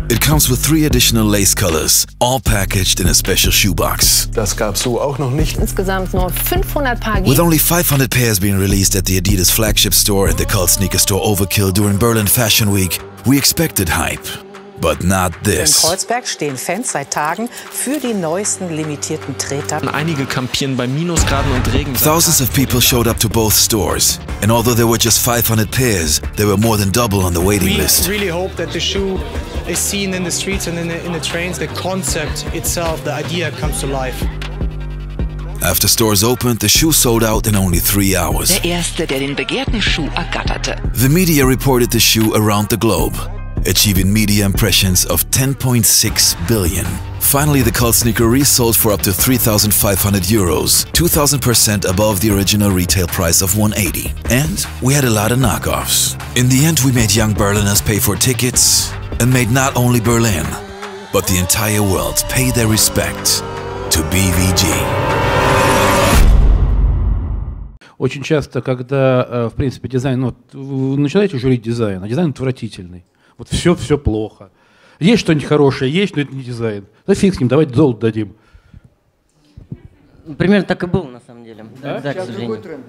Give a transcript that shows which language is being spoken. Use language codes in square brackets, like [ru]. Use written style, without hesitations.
[en] It comes with three additional lace colors, all packaged in a special shoebox. [de] Das gab's so auch noch nicht. Insgesamt nur 500 Paar. [en] With only 500 pairs being released at the Adidas flagship store and the cult sneaker store Overkill during Berlin Fashion Week, we expected hype. But not this. [de] In Kreuzberg stehen Fans seit Tagen für die neuesten limitierten Treter. Einige kampieren bei Minusgraden und Regen. [en] Thousands of people showed up to both stores, and although there were just 500 pairs, there were more than double on the waiting list. We really hope that the shoe is seen in the streets and in the trains. The concept itself, the idea, comes to life. After stores opened, the shoe sold out in only 3 hours. [de] Der erste, der den begehrten Schuh ergatterte. [en] The media reported the shoe around the globe, achieving media impressions of 10.6 billion. Finally, the cult sneaker resold for up to 3,500 euros, 2,000% above the original retail price of 180. And we had a lot of knockoffs. In the end, we made young Berliners pay for tickets and made not only Berlin, but the entire world pay their respect to BVG. [ru] Очень часто, когда, в принципе, дизайн, ну, вы начинаете журить дизайн, а дизайн отвратительный. Вот все плохо. Есть что-нибудь хорошее, есть, но это не дизайн. Да фиг с ним, давайте золото дадим. Примерно так и было, на самом деле. Да? Да, сейчас другой тренд.